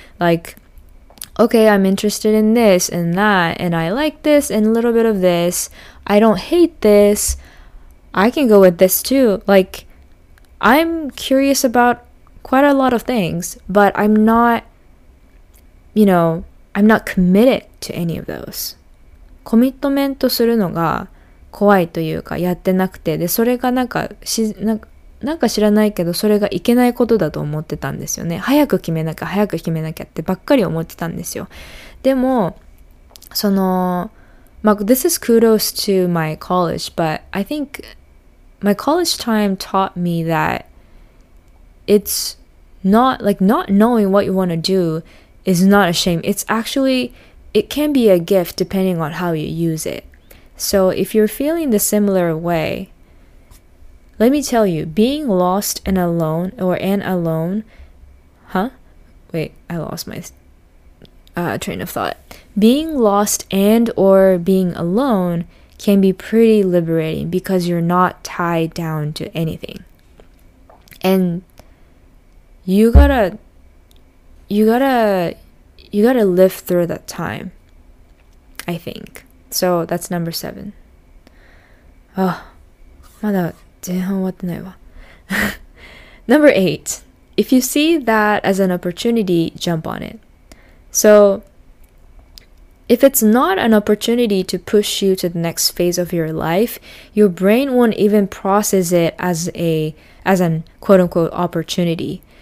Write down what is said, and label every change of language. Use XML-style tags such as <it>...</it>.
<en>Like, okay, I'm interested in this and that, and I like this and a little bit of this. I don't hate this. I can go with this too. Like, I'm curious about quite a lot of things, but I'm not, you know, I'm not committed to any of those.</en> <ja>コミットメントするのが怖いというかやってなくて、でそれがなんか知らないけどそれがいけないことだと思ってたんですよね。早く決めなきゃ早く決めなきゃってばっかり思ってたんですよ。でもその、まあ、</ja> <en>This is kudos to my college, but I think my college time taught me that it's not like not knowing what you want to do is not a shame. It's actually, it can be a gift depending on how you use it. So if you're feeling the similar way, let me tell you, being lost and alone or an alone, being lost and or being alone can be pretty liberating because you're not tied down to anything. And you gotta live through that time, I think. So that's number 7. Oh,</en> <ja>まだ前半終わってないわ。</ja> <en>Number 8. If you see that as an opportunity, jump on it. So if it's not an opportunity to push you to the next phase of your life, your brain won't even process it as an quote-unquote opportunity.</en>